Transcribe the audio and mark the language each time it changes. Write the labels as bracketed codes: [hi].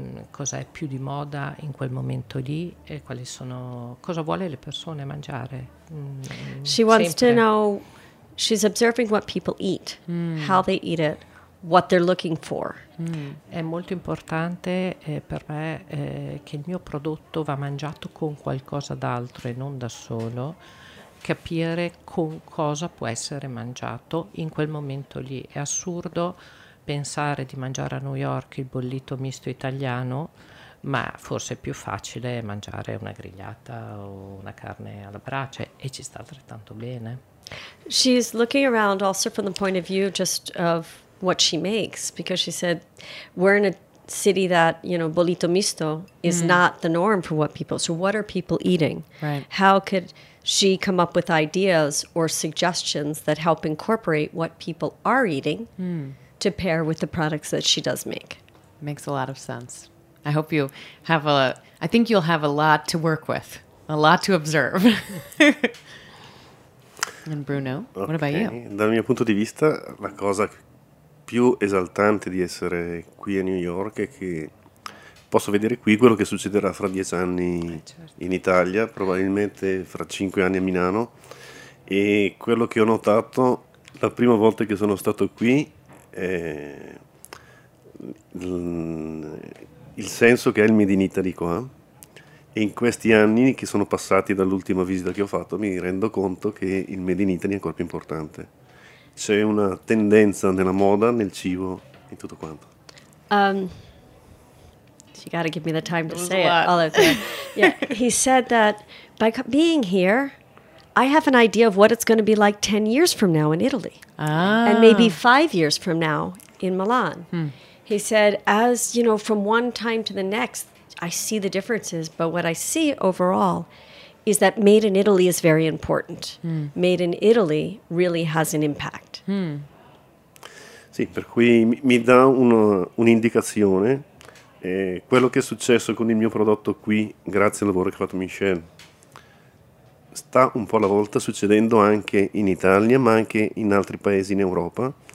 [it] Cosa è più di moda in quel momento lì e quali sono, cosa vuole le persone mangiare. [en] She wants to know, she's observing what people eat, how they eat it, what they're looking for. [it] È molto importante per me che il mio prodotto va mangiato con qualcosa d'altro e non da solo, capire con cosa può essere mangiato in quel momento lì. È assurdo pensare di mangiare a New York il bollito misto italiano, ma forse è più facile mangiare una grigliata o una carne alla brace e ci sta altrettanto bene. [en] She's looking around also from the point of view just of what she makes, because she said we're in a city that, you know, bolito misto is not the norm for what people, so what are people eating? Right. How could she come up with ideas or suggestions that help incorporate what people are eating to pair with the products that she does make? Makes a lot of sense. I hope you have I think you'll have a lot to work with, a lot to observe. And Bruno, okay. What about you? [it] Dal mio punto di vista, la cosa più esaltante di essere qui a New York è che posso vedere qui quello che succederà fra 10 anni in Italia, probabilmente fra 5 anni a Milano. E quello che ho notato la prima volta che sono stato qui è il senso che è il Made in Italy qua. E in questi anni che sono passati dall'ultima visita che ho fatto mi rendo conto che il Made in Italy è ancora più importante. C'è una tendenza nella moda, nel cibo, in tutto quanto. [en] You gotta give me the time to say it. All of that. Yeah. He said that by being here, I have an idea of what it's going to be like 10 years from now in Italy. Ah. And maybe 5 years from now in Milan. He said, as you know, from one time to the next, I see the differences. But what I see overall is that made in Italy is very important. Mm. Made in Italy really has an impact. Mm. [it] Sì, per cui mi dà un'indicazione. Quello che è successo con il mio prodotto qui, grazie al lavoro che ha fatto Michel, sta un po' alla volta succedendo anche in Italia, ma anche in altri paesi in Europa.